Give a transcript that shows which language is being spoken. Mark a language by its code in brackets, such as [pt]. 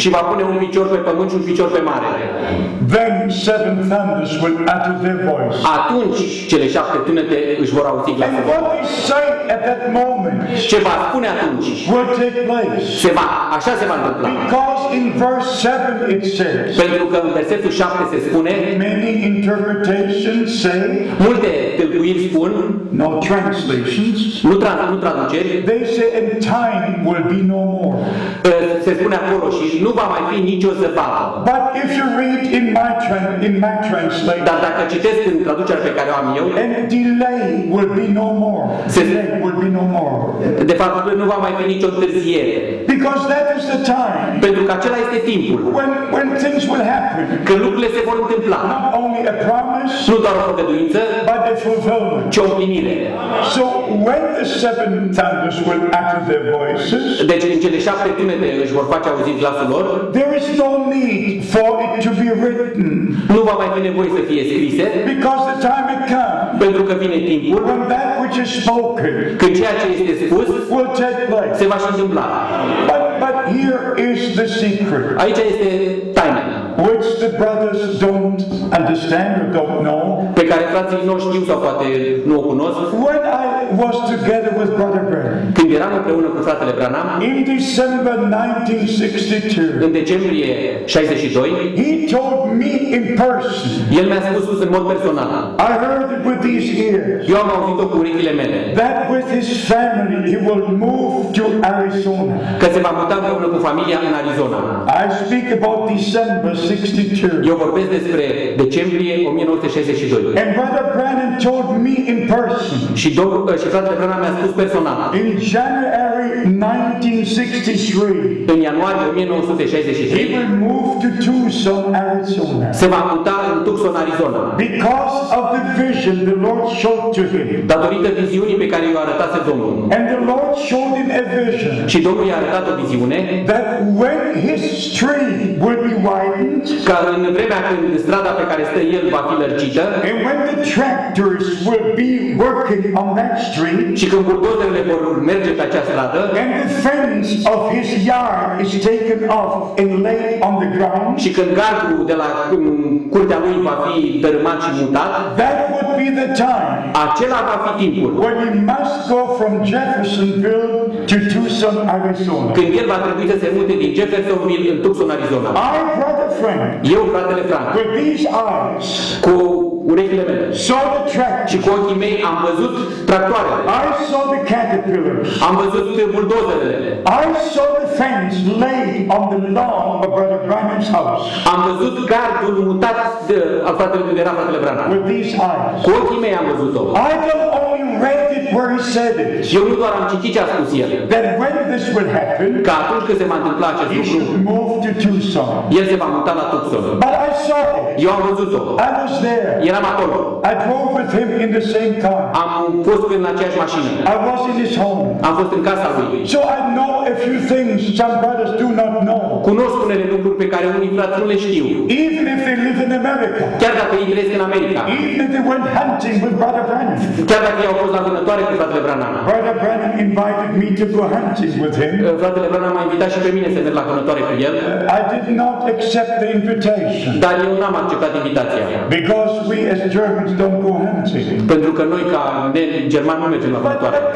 [ro] Și va pune un picior pe pământ și un picior pe mare. [en] Then seven thunders will utter their voice. [ro] Atunci cele șapte tunete își vor auzi glasul. [en] And what they say at that moment. [ro] Ce va spune atunci? [en] Will take place. [ro] Se va, așa se va întâmpla. [en] Because in verse 7 it says. [ro] Pentru că în versetul 7 se spune. [en] Many interpretations say. [ro] Multe tâlcuiri spun. [en] No translations. [ro] Nu traduceri. [en] They say and time will be no more. [ro] Se spune acolo și nu va mai fi nicio zăpadă. [en] But if you read in my translation. [ro] Dar dacă citesc în traducerea pe care o am eu. [en] And delay will be no more. Delay will be no more. [ro] De fapt nu va mai fi nicio întârziere. [en] Because that is the time. [ro] Pentru că acela este timpul. [en] When things will happen. [ro] Când lucrurile se vor întâmpla. [en] Not only a promise. [ro] Nu doar o făgăduință. [en] But a fulfillment. [ro] Ci o împlinire. [en] So when the seven thunders will utter their voices. [ro] Deci în cele șapte tunete își vor face auzit glasul lor. [en] There is no need for it to be written. [ro] Nu va mai fi nevoie să fie scrise. [en] Because the time has come. [ro] Pentru că vine timpul. [en] When that which is spoken. [ro] Când ceea ce este spus. [en] Will take place. [ro] Se va și întâmpla. [en] But here is the secret. [ro] Aici este taina. [en] Which the brothers don't understand or don't know. [ro] Pe care frații nu știu sau poate nu o cunosc. [en] When I was together with Brother Branham. [ro] Când eram împreună cu fratele Branham. [en] In December 1962. [ro] În decembrie 62. [en] He told me in person. [ro] El mi-a spus în mod personal. [en] I heard it with these ears. [ro] Eu am auzit-o cu urechile mele. [en] That with his family he will move to Arizona. [ro] Că se va muta împreună cu familia în Arizona. [en] I speak about December. [ro] Eu vorbesc despre decembrie 1962. [en] And Brother Branham told me in person. [ro] Și fratele Branham mi-a spus personal. [en] In January 1963. [ro] În ianuarie 1963. [en] He will move to Tucson, Arizona. [ro] Se va muta în Tucson, Arizona. [en] Because of the vision the Lord showed to him. [ro] Datorită viziunii pe care i-o arătase Domnul. [en] And the Lord showed him a vision. [ro] Și Domnul i-a arătat o viziune. [en] That when his tree will be white. [ro] Că în vremea când strada pe care stă el va fi lărgită. [en] And when the tractors will be working on that street, [ro] și când burdozerele porumb merge pe acea stradă, [en] and the fence of his yard is taken off and laid on the ground, [ro] și când gardul de la curtea lui va fi dărâmat și mutat, [en] that would be the time, [ro] acela va fi timpul, [en] when he must go from Jeffersonville to Tucson, Arizona, [ro] când el va trebui să se mute din Jeffersonville în Tucson, Arizona. [en] I, brother Frank, [ro] eu, fratele Frank, [en] with these eyes, [ro] cu urechile mele, [en] saw the track, [ro] și cu ochii mei am văzut tractoarele. [en] I saw the caterpillars. [ro] Am văzut buldozerele. [en] I saw the fence laid on the lawn of Brother Branham's house. [ro] Am văzut gardul mutat de al fratelui de fratele Branham. [en] With these eyes. [ro] Cu ochii mei am văzut-o. [en] I don't only read it where he said it. [ro] Eu nu doar am citit ce a spus el. [en] That when this will happen, [ro] că atunci când se va întâmpla acest lucru, [en] he should move to Tucson. [ro] El se va muta la Tucson. [en] But I saw it. [ro] Eu am văzut-o. [en] I was there. [ro] Eram acolo. [en] I drove with him in the same car. [ro] Am fost în aceeași mașină. [en] I was in his home. [ro] Am fost în casa lui. [en] So I know a few things some brothers do not know. [ro] Cunosc unele lucruri pe care unii frați nu le știu. [en] Even if they live in America. [ro] Chiar dacă ei trăiesc în America. [en] Even if they went hunting with Brother Branham. [ro] Chiar dacă ei au fost la vânătoare cu fratele Branham. [en] Brother Branham invited me to go hunting with him. [ro] Fratele Branham m-a invitat și pe mine să merg la vânătoare cu el. [en] I did not accept the invitation. [ro] Dar eu n-am acceptat invitația. [en] Because we as Germans don't go hunting. [ro] Pentru că noi ca germani nu mergem la vânătoare.